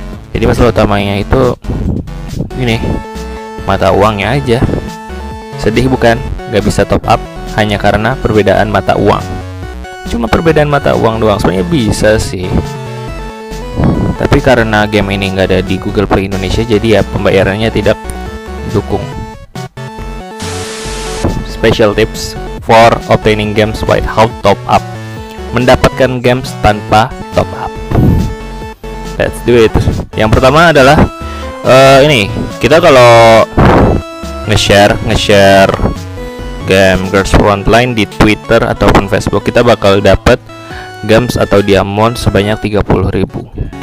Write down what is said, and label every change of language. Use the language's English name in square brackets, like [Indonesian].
[Indonesian] Jadi masalah utamanya itu ini mata uangnya aja. Sedih bukan? Nggak bisa top up hanya karena perbedaan mata uang. Cuma perbedaan mata uang doang, sebenarnya bisa sih. Tapi karena game ini nggak ada di Google Play Indonesia, jadi ya pembayarannya tidak dukung. [English] Special tips for obtaining games without top up. [Indonesian] Mendapatkan games tanpa top up. [English] Let's do it. [Indonesian] Yang pertama adalah ini. Kita kalau nge-share game Girls Frontline di Twitter ataupun Facebook, kita bakal dapat gems atau diamond sebanyak 30.000.